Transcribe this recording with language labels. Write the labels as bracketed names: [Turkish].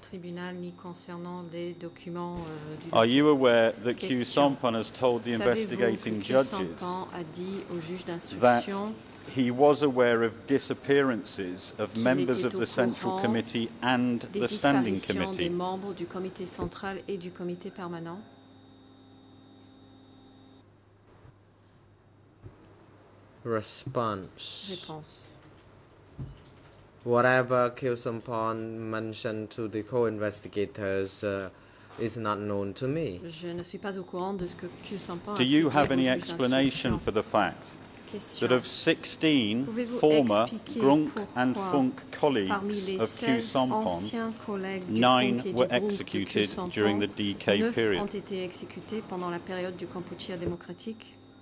[French] Tribunal, ni concernant les documents, du [English] are you aware that Q. Sampan has told the investigating judges [French] a dit au juge [English] that he was aware of disappearances of members of the Central Committee and the Standing Committee. [French] Des membres du comité central et du comité permanent. [English] Response. [French] Réponse. [English] Whatever Khieu Samphan mentioned to the co-investigators is not known to me. [French] Je ne suis pas au courant de ce que Khieu Samphan. [English] Do you have any explanation for the fact that of 16 former Grunk and Funk colleagues of Q. Sampan, 9 were executed during the DK period? [French] Ont été exécutés pendant la période du Kampuchea démocratique.